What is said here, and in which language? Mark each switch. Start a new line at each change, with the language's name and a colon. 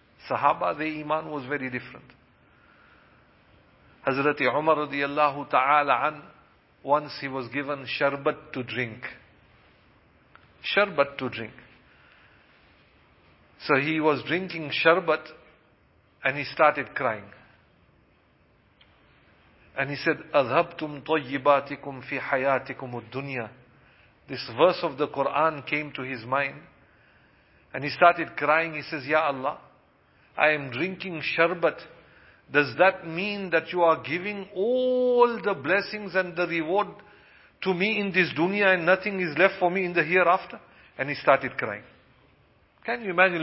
English: Sahaba, their iman was very different. Hazrat Umar radiallahu ta'ala an, once he was given sharbat to drink. Sharbat to drink. So he was drinking sharbat and he started crying. And he said,
Arabic: أَذْهَبْتُمْ طَيِّبَاتِكُمْ فِي حَيَاتِكُمُ الدُّنْيَا.
English: This verse of the Quran came to his mind. And he started crying. He says, Ya Allah, I am drinking sharbat. Does that mean that you are giving all the blessings and the reward to me in this dunya and nothing is left for me in the hereafter? And he started crying. Can you imagine?